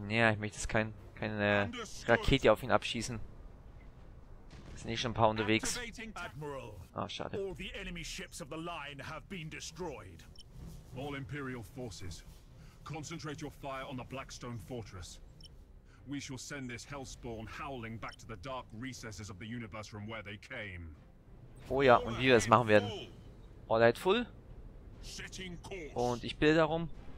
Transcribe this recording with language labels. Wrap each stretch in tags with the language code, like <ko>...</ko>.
<de>Naja, ich möchte jetzt keine Rakete auf ihn abschießen. Es sind eh schon ein paar unterwegs. Ah, schade.</de> <en>All the enemy ships of the line have been destroyed. All Imperial forces, concentrate your fire on the Blackstone Fortress. We shall send this hellspawn howling back to the dark recesses of the universe from where they came.</en> <de>Oh ja, und wie wir das machen werden.</de> <en>All right, full.</en> <de>Und ich bitte darum.</de>